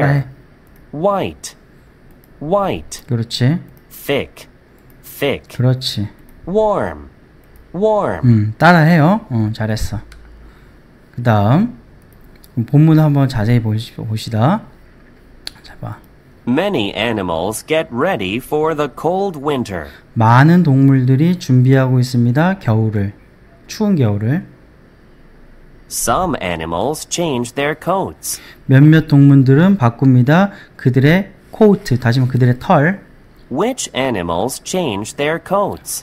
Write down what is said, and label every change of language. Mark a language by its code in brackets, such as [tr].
[ko] 따라해. [en] White, white. [ko] 그렇지. [en] Thick, thick. [ko] 그렇지. [en] Warm, warm. [ko] 따라해요. 잘했어. 그 다음 본문 한번 자세히 보시다. [en] Many animals get ready for the cold winter. [ko] 많은 동물들이 준비하고 있습니다. 겨울을. 추운 겨울을. [en] Some animals change their coats. [ko] 몇몇 동물들은 바꿉니다. 그들의 코트. 다시 말해 그들의 털. [en] Which animals change their coats?